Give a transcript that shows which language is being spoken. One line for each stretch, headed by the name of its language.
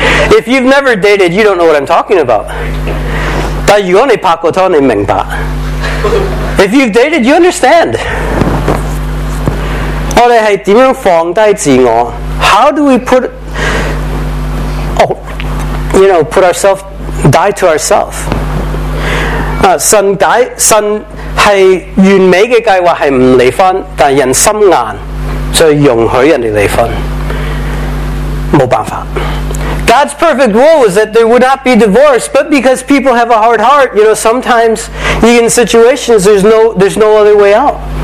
English: If you've never dated, you don't know what I'm talking about.
Chinese: 但如果你拍过拖，你明白。
English: If you've dated, you understand.
Chinese: 我们是怎样放低自我？
English: How do we put, oh, you know, put ourselves, die to ourselves?
Chinese: 神是完美的计划是不离婚，但人心硬，所以容许人离婚，没办法。
English: God's perfect rule is that there would not be divorce, but because people have a hard heart, you know, sometimes in situations there's no other way out.